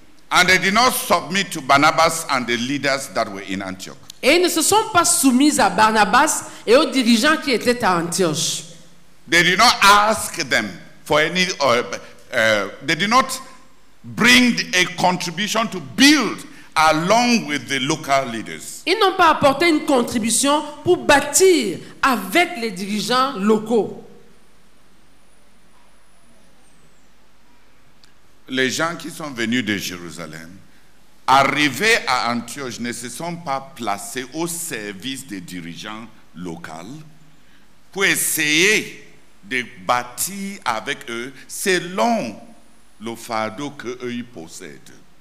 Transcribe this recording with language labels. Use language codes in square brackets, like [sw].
[en] And they did not submit to Barnabas and the leaders that were in Antioch. [fr] Et ils ne se sont pas soumis à Barnabas et aux dirigeants qui étaient à Antioche. [en] They did not ask them for any. They did not bring a contribution to build along with the local leaders. [fr] Ils n'ont pas apporté une contribution pour bâtir avec les dirigeants locaux. Les gens qui sont venus de Jérusalem, arrivés à Antioche, ne se sont pas placés au service des dirigeants locaux pour essayer de bâtir avec eux selon le fardeau qu'eux y possèdent.